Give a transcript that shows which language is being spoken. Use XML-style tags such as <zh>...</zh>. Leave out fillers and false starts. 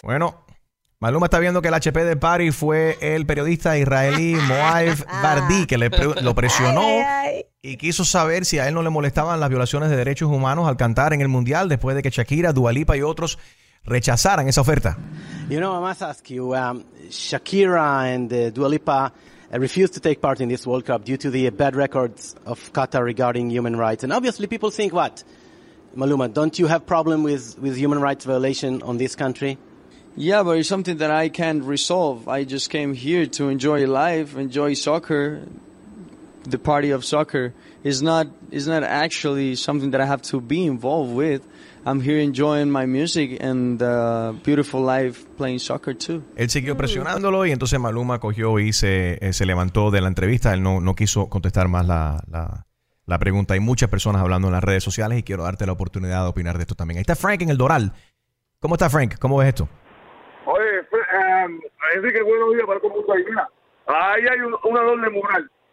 <es>Bueno. Maluma está viendo que el HP de Party fue el periodista israelí Moav Bardi que lo presionó y quiso saber si a él no le molestaban las violaciones de derechos humanos al cantar en el Mundial después de que Shakira, Dua Lipa y otros rechazaran esa oferta.</es> <en>You know, I must ask you, Shakira and Dua Lipa refused to take part in this World Cup due to the bad records of Qatar regarding human rights. And obviously people think what? Maluma, don't you have problem with human rights violation on this country? Yeah, but it's something that I can't resolve. I just came here to enjoy life, enjoy soccer. the party of soccer is not actually something that I have to be involved with. I'm here enjoying my music and beautiful life playing soccer too.</en> <es>Él siguió presionándolo y entonces Maluma cogió y se levantó de la entrevista. Él no quiso contestar más la pregunta. Hay muchas personas hablando en las redes sociales y quiero darte la oportunidad de opinar de esto también. Ahí está Frank en el Doral. ¿Cómo está Frank? ¿Cómo ves esto? Oye, Enrique, buenos días para todo el mundo ahí. Mira, ahí hay una doble moral.</es>